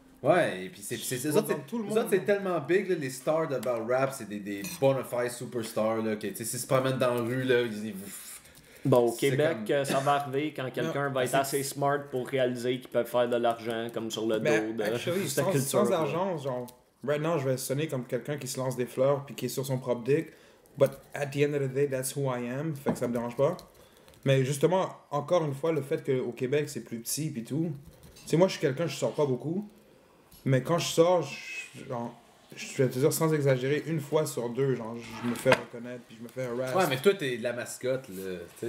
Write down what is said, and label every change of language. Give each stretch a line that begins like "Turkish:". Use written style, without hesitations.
French: Ouais, et puis c'est tellement big là, les stars de battle rap c'est des
English: bonafide superstars
French: là que tu sais s'ils se promènent dans la rue là Bon, au Québec, comme... ça va arriver quand quelqu'un va être assez smart pour réaliser qu'ils peuvent faire de l'argent, comme sur le dos de cette culture. Sans argent, genre,
English: right now,
French: je vais sonner comme quelqu'un qui se lance des fleurs puis qui est sur son propre dick.
English: But at the end of the day, that's who I am.
French: Fait que ça me dérange pas. Mais justement, encore une fois, le fait qu'au Québec, c'est plus petit puis tout. Tu sais, moi, je suis quelqu'un, je sors pas beaucoup. Mais quand je sors, je vais te dire sans exagérer, une fois sur deux, genre, je me fais reconnaître puis je me fais harass. Ouais, mais toi, t'es la mascotte, là.